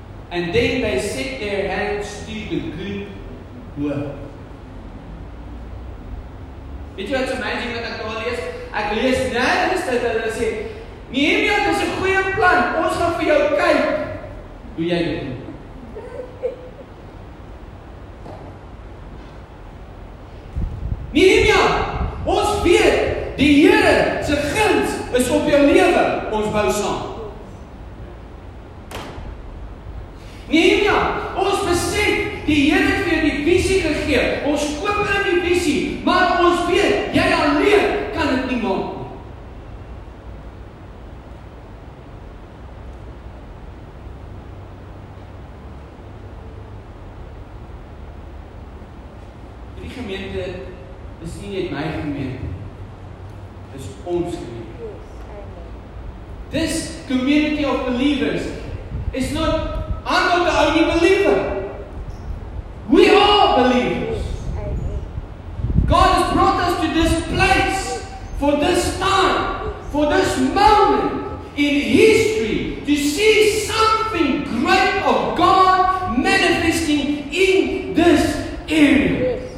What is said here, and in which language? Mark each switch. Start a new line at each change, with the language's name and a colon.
English: And then they set their hands to the good work.
Afrikaans: Weet jy wat so amazing wat ek daar lees? Ek lees nergens dat hulle sê, Nehemia, dit is 'n goeie plan, ons gaan vir jou kyk. Doe jy dit? Nehemia, ons weet, die Here se guns is op jou lewe, ons bou saam. Nehemia, ons besef, die Here het vir die visie gegee, ons koop in die visie, maar ons weet, jy alleen kan dit nie maak. Die gemeente is nie net my gemeente, dis ons gemeente.
English: This community of believers is not I'm not the only believer. We are believers. God has brought us to this place, for this time, for this moment in history, to see something great of God manifesting in this area.